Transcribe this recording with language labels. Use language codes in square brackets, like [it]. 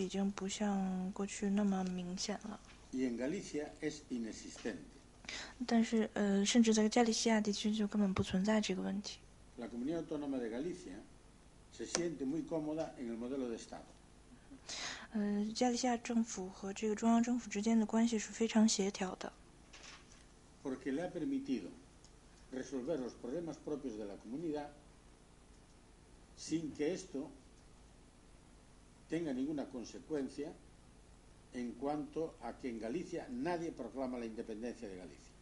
[zh] 但是其实这个情况在巴斯克地区已经不像过去那么明显了 [es] Y en Galicia es inexistente [zh] 但是甚至在加利西亚地区就根本不存在这个问题 [es] La Comunidad Autónoma de Galicia se siente muy cómoda en el modelo de Estado. [zh] 加利西亚政府和这个中央政府之间的关系是非常协调的。 [es] Porque le ha permitido resolver los problemas propios de la comunidad sin que esto tenga ninguna consecuencia en cuanto a que en Galicia nadie proclama la independencia de Galicia.